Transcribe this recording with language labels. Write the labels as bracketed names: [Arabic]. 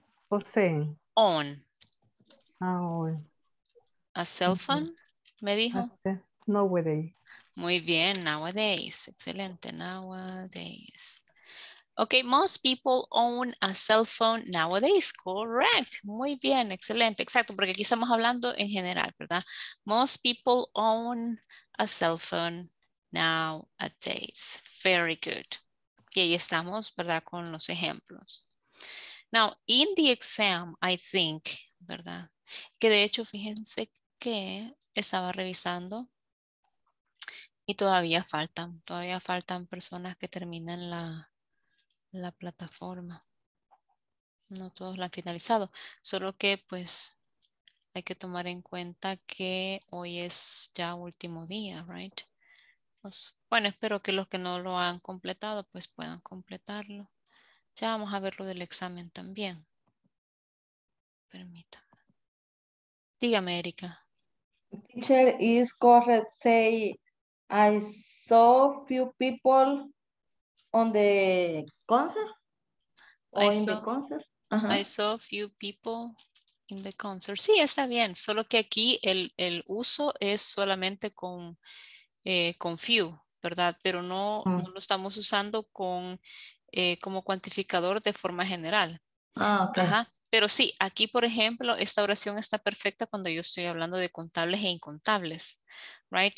[Spanish] Poseen. [English] On. [Spanish] Ah, bueno. [English] A cell phone, [Spanish] me dijo. [English] Nowadays. [Spanish] Muy bien, [English] nowadays. [Spanish] Excelente, nowadays. [English] Okay, most people own a cell phone nowadays, correct. [Spanish] Muy bien, excelente, exacto, porque aquí estamos hablando en general, ¿verdad? [English] Most people own a cell phone nowadays. Very good. [Spanish] Y ahí estamos, ¿verdad? Con los ejemplos. [English] Now, in the exam, I think, [Spanish] ¿verdad? Que de hecho, fíjense que estaba revisando y todavía faltan personas que terminan la plataforma. No todos la han finalizado, solo que pues hay que tomar en cuenta que hoy es ya último día, right? Pues, bueno, espero que los que no lo han completado pues puedan completarlo. Ya vamos a ver lo del examen también. Permítame. Dígame, Erika. [English] Teacher, is correct say I saw few people on the concert? Uh-huh. I saw few people in the concert. [Spanish] Sí, está bien. Solo que aquí el uso es solamente con few, ¿verdad? Pero no, uh-huh, no lo estamos usando como cuantificador de forma general. Ah, ok. Ajá. Pero sí, aquí, por ejemplo, esta oración está perfecta cuando yo estoy hablando de contables e incontables, ¿right?